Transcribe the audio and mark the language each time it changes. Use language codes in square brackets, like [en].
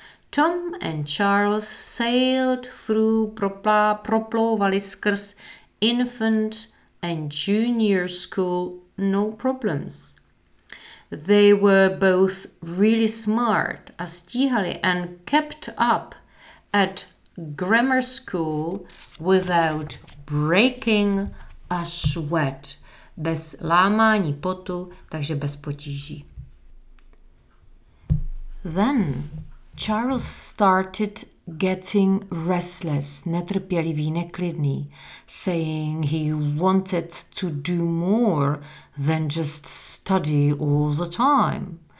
[en] Tom and Charles sailed through, [cs] proplouvali skrz [en] infant and junior school, no problems. They were both really smart, [cs] a stíhali, [en] and kept up at grammar school without breaking a sweat. [cs] Bez lámání potu, takže bez potíží. [en] Then Charles started getting restless, [cs] netrpělivý, neklidný, [en] saying he wanted to do more than just study all the time.